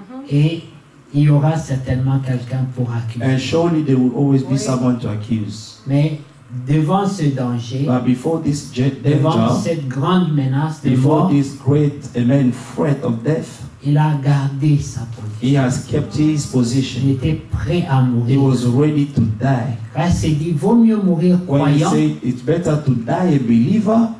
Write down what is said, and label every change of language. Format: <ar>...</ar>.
<fr>Et il y aura certainement quelqu'un pour accuser.</fr> <en>And surely there will always be someone to accuse.</en> <fr>Mais devant ce danger.</fr> <en>But before this danger.</en> <fr>Devant cette grande menace de</fr> <en>before Before this great amen threat of death.</en> <fr>Il a gardé sa position.</fr> <en>He has kept his position.</en> <fr>Il était prêt à mourir.</fr> <en>He was ready to die.</en> <fr>Quand il s'est dit, vaut mieux mourir croyant.</fr> <en>When he said, it's better to die a believer.</en>